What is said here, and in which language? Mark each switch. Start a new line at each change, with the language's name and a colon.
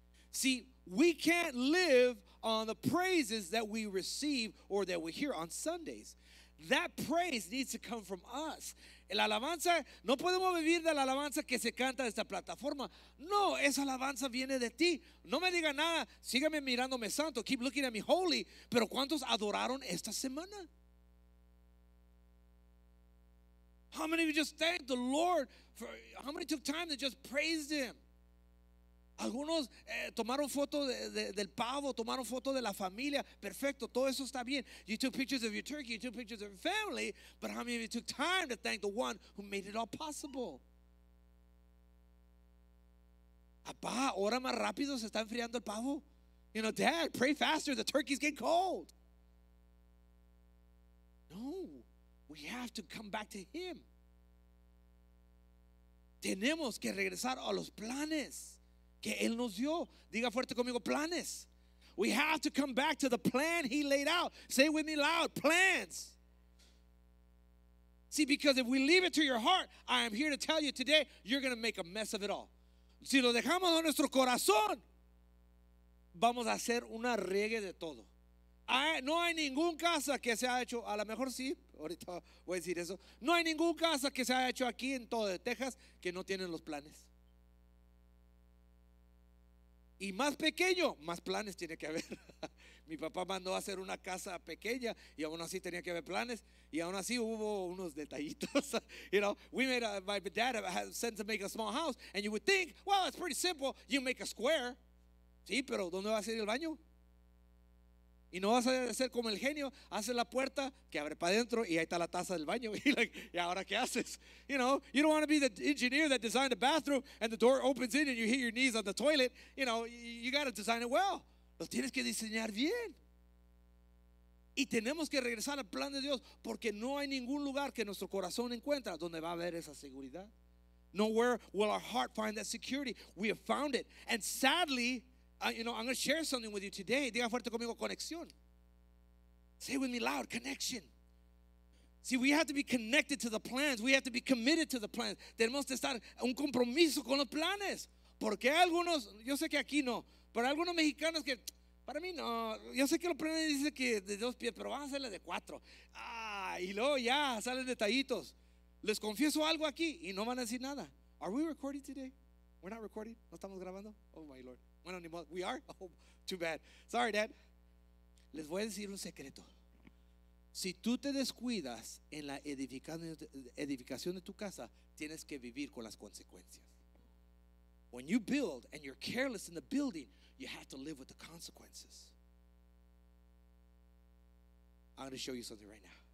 English: See, we can't live on the praises that we receive or that we hear on Sundays. That praise needs to come from us.
Spanish: La alabanza, no podemos vivir de la alabanza que se canta de esta plataforma. No, esa alabanza viene de ti. No me diga nada, sígame mirándome santo.
English: Keep looking at me holy.
Spanish: Pero ¿cuántos adoraron esta semana?
English: How many of you just thanked the Lord? How many took time to just praise him?
Spanish: Algunos tomaron foto del pavo, tomaron foto de la familia. Perfecto, todo eso está bien.
English: You took pictures of your turkey, you took pictures of your family. But how many of you took time to thank the one who made it all possible?
Spanish: Papá, ora más rápido, se está enfriando el pavo.
English: You know, dad, pray faster, the turkey's getting cold. No, we have to come back to him.
Spanish: Tenemos que regresar a los planes que él nos dio. Diga fuerte conmigo, planes.
English: We have to come back to the plan he laid out. Say with me loud, plans. See, because if we leave it to your heart, I am here to tell you today, you're going to make a mess of it all.
Spanish: Si lo dejamos a nuestro corazón, vamos a hacer una riega de todo. No hay ningún casa que se ha hecho, a lo mejor sí, ahorita voy a decir eso. No hay ningún casa que se ha hecho aquí en todo de Texas que no tienen los planes. Y más pequeño, más planes tiene que haber. Mi papá mandó a hacer una casa pequeña y aún así tenía que haber planes. Y aún así hubo unos detallitos.
English: You know, we made my dad had sent to make a small house. And you would think, well, it's pretty simple. You make a square.
Spanish: Sí, pero ¿dónde va a ser el baño? Y no vas a ser como el genio. Haces la puerta que abre para adentro y ahí está la taza del baño. Y ahora ¿qué haces?
English: You know, you don't want to be the engineer that designed the bathroom and the door opens in and you hit your knees on the toilet. You know, you got to design it well.
Spanish: Lo tienes que diseñar bien. Y tenemos que regresar al plan de Dios porque no hay ningún lugar que nuestro corazón encuentra donde va a haber esa seguridad.
English: Nowhere will our heart find that security. We have found it. And sadly, you know, I'm going to share something with you today.
Spanish: Diga fuerte conmigo, conexión.
English: Say with me loud, connection. See, we have to be connected to the plans. We have to be committed to the plans.
Spanish: Tenemos que estar un compromiso con los planes. Porque algunos, yo sé que aquí no, pero algunos mexicanos que, para mí no, yo sé que los planes dicen que de dos pies, pero vamos a hacerle de cuatro. Ah, y luego ya, salen detallitos. Les confieso algo aquí y no van a decir nada.
English: Are we recording today? We're not recording.
Spanish: No estamos grabando.
English: Oh, my Lord.
Spanish: Bueno, ni modo.
English: We are? Oh, too bad. Sorry, Dad.
Spanish: Les voy a decir un secreto. Si tú te descuidas en la edificación de tu casa, tienes que vivir con las consecuencias.
English: When you build and you're careless in the building, you have to live with the consequences. I'm going to show you something right now.